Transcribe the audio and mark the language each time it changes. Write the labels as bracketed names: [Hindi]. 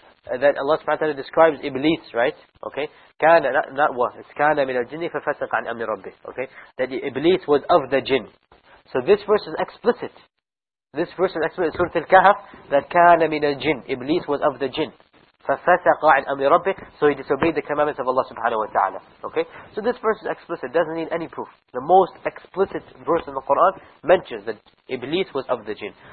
[English] that Allah subhanahu wa ta'ala describes Iblis, right? Okay? كَانَ not what? It's [Arabic] كَانَ مِنَ الْجِنِّ فَفَسَقَ عَنْ أَمْرِ رَبِّهِ. [English] Okay? That Iblis was of the jinn. So this verse is explicit. This verse is explicit in Surah Al-Kahf, that [Arabic] كَانَ مِنَ الْجِنِّ [English] Iblis was of the jinn. [Arabic] فَفَسَقَ عَنْ أَمْرِ رَبِّهِ. [English] So he disobeyed the commandments of Allah subhanahu wa ta'ala. Okay? So this verse is explicit. Doesn't need any proof. The most explicit verse in the Quran mentions that Iblis was of the jinn.